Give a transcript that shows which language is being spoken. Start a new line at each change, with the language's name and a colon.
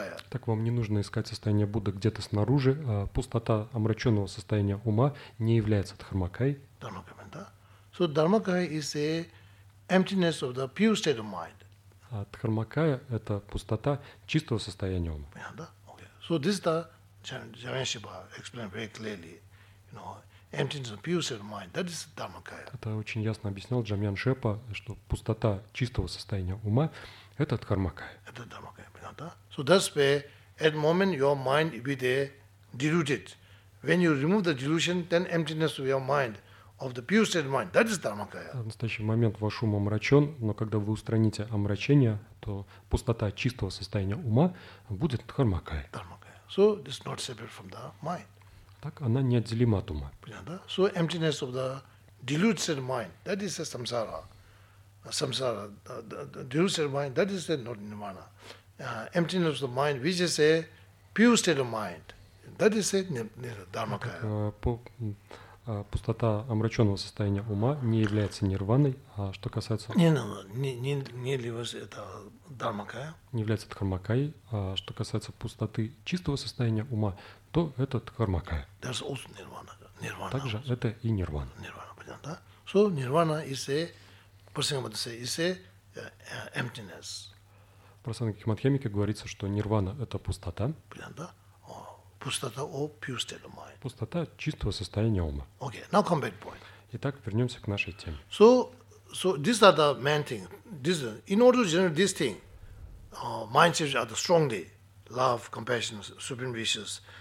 Russian: Так вам не нужно искать состояние Будды где-то снаружи. Пустота омраченного состояния ума не является дхармакай. Дхармакай, да?
English: So дхармакай is a emptiness of the pure state of mind.
Russian: А дхармакая – это пустота чистого состояния ума. Понятно, да? Okay.
English: So this is the Jayanshiba explained very clearly. You know, emptiness of pure state of mind. That is дхармакая.
Russian: Это очень ясно объяснял Джамьяншепа, что пустота чистого состояния ума – это дхармакая. Это дхармакая, понятно, да?
English: So that's where at the moment your mind will be there deluded. When you remove the delusion, then emptiness of your mind, of the pure state of mind, that is Dharmakaya.
Russian: В настоящий момент ваш ум омрачен, но когда вы устраните омрачение, то пустота чистого состояния ума будет Dharmakaya.
English: Dharmakaya. So it's not separate from the mind.
Russian: Так она неотделима от ума.
English: So emptiness of the deluded state of mind, that is a samsara. Samsara, the deluded state of mind, that is not nirvana. Emptiness of the mind, which is a pure state of mind, that is a Dharmakaya.
Russian: Пустота омраченного состояния ума не является нирваной, а что касается... Не является дхармакай, а что касается пустоты чистого состояния ума, то это дхармакай. Также это и нирвана. Нирвана, понятно, да?
English: So, нирвана is a, emptiness.
Russian: В Прасангике Мадхьямике говорится, что нирвана – это пустота. Понятно, да? Пустота о
English: pure state of mind.
Russian: Пустота чистого состояния ума.
English: Okay, now come back point.
Russian: Итак, вернемся к нашей теме.
English: So these are the main thing. This, in order to generate this thing, mind states are the strongly, love, compassion, supreme wishes.